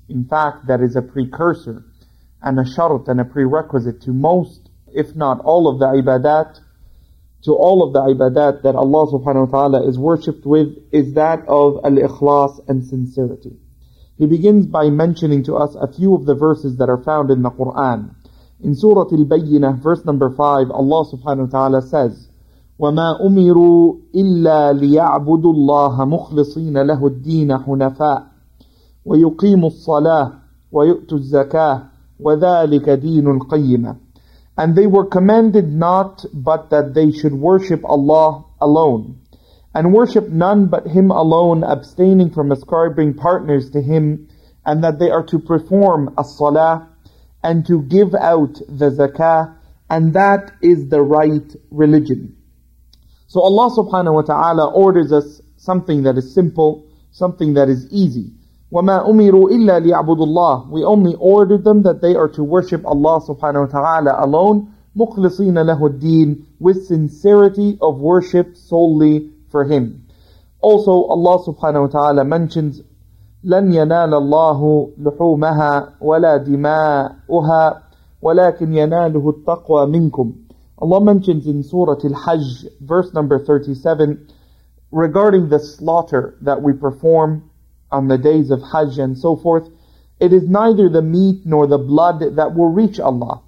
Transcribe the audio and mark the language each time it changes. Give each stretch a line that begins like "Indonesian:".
English: In fact, that is a precursor and a shart and a prerequisite to most, if not all, of the ibadat. To all of the ibadat that Allah subhanahu wa ta'ala is worshipped with, is that of al-ikhlas and sincerity. He begins by mentioning to us a few of the verses that are found in the Qur'an. In Surah Al-Bayyinah, verse number 5, Allah subhanahu wa ta'ala says,
Arabic: وَمَا أُمِرُوا إِلَّا لِيَعْبُدُوا اللَّهَ مُخْلِصِينَ لَهُ الدِّينَ حُنَفَاءَ وَيُقِيمُوا الصَّلَاةَ وَيُؤْتُوا الزَّكَاةَ وَذَلِكَ دِينُ الْقَيِّمَةَ.
English: And they were commanded not but that they should worship Allah alone, and worship none but Him alone, abstaining from ascribing partners to Him, and that they are to perform a salah, and to give out the zakah, and that is the right religion. So Allah subhanahu wa ta'ala orders us something that is simple, something that is easy.
Arabic: وَمَا أُمِرُوا إِلَّا لِيَعْبُدُ اللَّهِ.
English: We only ordered them that they are to worship Allah subhanahu wa ta'ala alone,
Arabic: مُخْلِصِينَ لَهُ الدِّينَ,
English: with sincerity of worship solely for Him. Also, Allah subhanahu wa ta'ala mentions,
Arabic: لَنْ يَنَالَ اللَّهُ لُحُومَهَا وَلَا دِمَاءُهَا وَلَكِنْ يَنَالُهُ التَّقْوَى مِنْكُمْ.
English: Allah mentions in Surah Al-Hajj, verse number 37, regarding the slaughter that we perform on the days of Hajj and so forth, it is neither the meat nor the blood that will reach Allah.